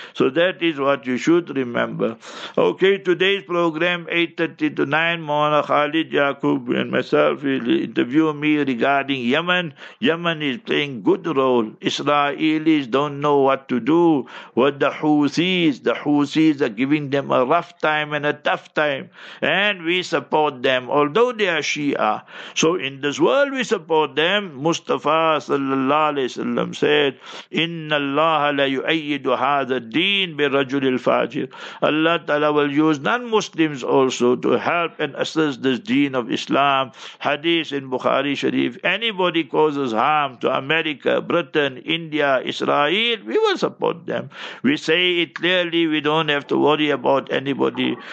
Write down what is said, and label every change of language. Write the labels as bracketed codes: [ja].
[en] So that is what you should remember. Okay, today's program, 8:30 to 9, Mona Khalid Yaqub and myself will interview me regarding Yemen. Yemen is playing good role. Israelis don't know what to do. What the Houthis are giving them a rough time and a tough time. And we support them, although they are Shia. So in this world we support them. Mustafa sallallahu alayhi wa sallam said, [ar] إِنَّ اللَّهَ لَيُؤَيِّدُ هَذَا الدِّينَ بِرَجُلِ الْفَاجِرِ. [en] Allah Ta'ala will use non-Muslims also to help and assist this deen of Islam. Hadith in Bukhari Sharif, anybody causes harm to America, Britain, India, Israel, we will support them. We say it clearly, we don't have to worry about anybody.